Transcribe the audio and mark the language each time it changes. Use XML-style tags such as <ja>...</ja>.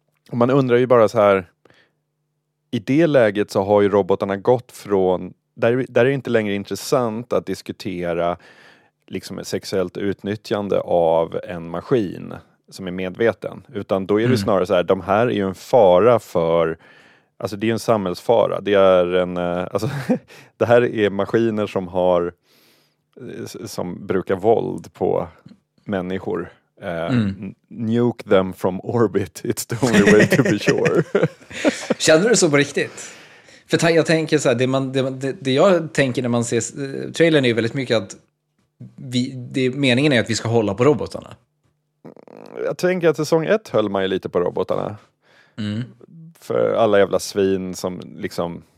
<sv>Och man undrar ju bara så här, i det läget så har ju robotarna gått från, där är det inte längre intressant att diskutera liksom ett sexuellt utnyttjande av en maskin som är medveten. Utan då är det snarare så här, de här är ju en fara för, alltså det är ju en samhällsfara. Det är en, alltså det här är maskiner som har, som brukar våld på människor.</sv> <en>Nuke them from orbit, it's the only way to be sure.</en> <sv>Känner du så på riktigt? För jag tänker så här, det jag tänker när man ser trailern är ju väldigt mycket att meningen är att vi ska hålla på robotarna. Jag tänker att säsong 1 höll man ju lite på robotarna. Mm. För alla jävla svin som liksom,</sv>